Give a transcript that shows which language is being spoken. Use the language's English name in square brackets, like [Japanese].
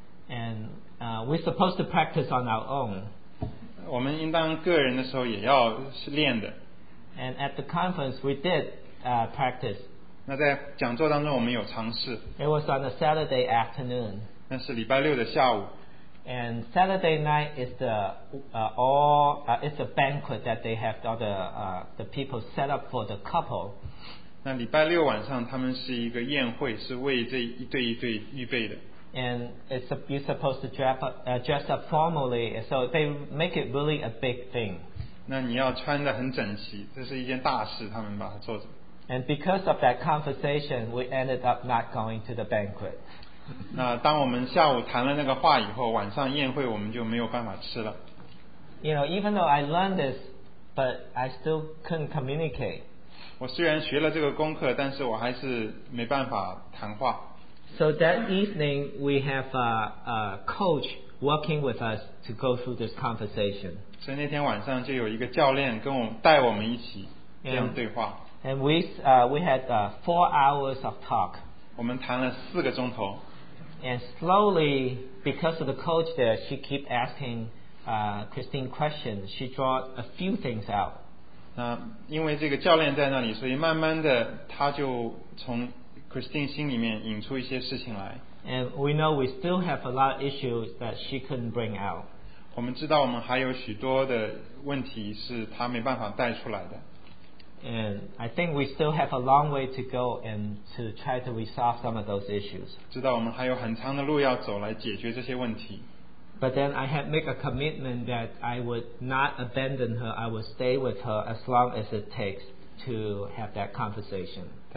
[English] And we're supposed to practice on our own. [Chinese] 我们应当个人的时候也要练的。 [English] And at the conference we did practice. [Chinese] 那在讲座当中我们有尝试。 [English] It was on a Saturday afternoon. [Chinese] 那是礼拜六的下午。 [English] And Saturday night is the it's a banquet that they have all the people set up for the couple. [Chinese] 那礼拜六晚上他们是一个宴会，是为这一对一对预备的。 [English] And you're supposed to dress up formally, so they make it really a big thing. [Chinese] 那你要穿得很整齐，这是一件大事，他们把它做着。 [English] And because of that conversation, we ended up not going to the banquet. [Chinese] 那当我们下午谈了那个话以后，晚上宴会我们就没有办法吃了。 [English] You know, even though I learned this, but I still couldn't communicate. [Chinese] 我虽然学了这个功课，但是我还是没办法谈话。 [English] So that evening, we have a coach working with us to go through this conversation. [Chinese] 所以那天晚上就有一个教练跟我带我们一起这样对话。 [English] And we had 4 hours of talk. [Chinese] 我们谈了四个钟头。 [English] And slowly, because of the coach there, she keep asking Christine questions. She draw a few things out. [Chinese] 因为这个教练在那里, 所以慢慢的他就从 Christine心里面引出一些事情来。 [English] And we know we still have a lot of issues that she couldn't bring out. [Chinese] 我们知道我们还有许多的问题是她没办法带出来的。 [English] And I think we still have a long way to go and to try to resolve some of those issues. [Chinese] 知道我们还有很长的路要走来解决这些问题。 [English] But then I had make a commitment that I would not abandon her, I would stay with her as long as it takes to have that conversation.